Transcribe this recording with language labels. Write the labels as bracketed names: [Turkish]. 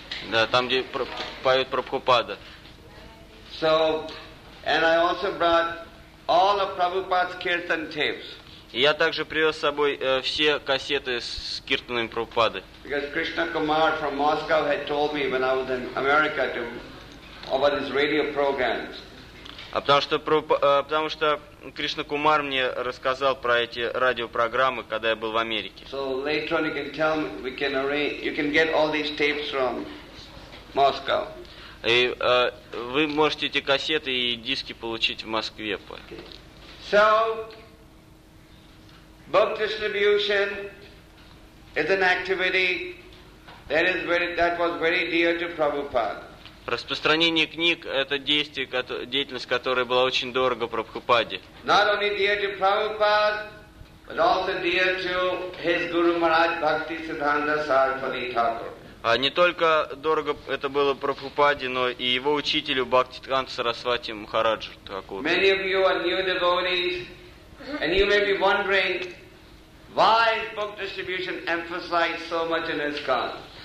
[Russian] Да, там, где поют Прабхупада. [English] So, and I also brought all of Prabhupada's kirtan tapes. [Russian] Я также привез с собой все кассеты с киртанами Прабхупады. [English] Because Krishna Kumar from Moscow had told me when I was in America to about his radio programs. [Russian] Потому что Кришна Кумар мне рассказал про эти радиопрограммы, когда я был в Америке. [English] So later on you can tell me, we can arrange, you can get all these tapes from Moscow. [Russian] И вы можете эти кассеты и диски получить в Москве. [English] Okay. So, book distribution is an activity that was very dear to Prabhupada. [Russian] Распространение книг – это действие, деятельность, которая была очень дорого Прабхупаде. [English] Not only dear to Prabhupada, but also dear to his Guru Maharaj Bhakti Siddhanta Sarasvati Thakur. [Russian] Не только дорого это было Прабхупаде, но и его учителю Бхакти Сиддханта Сарасвати Махараджу Такур. [English] Many of you are new devotees, and you may be wondering why book distribution emphasized so much in ISKCON.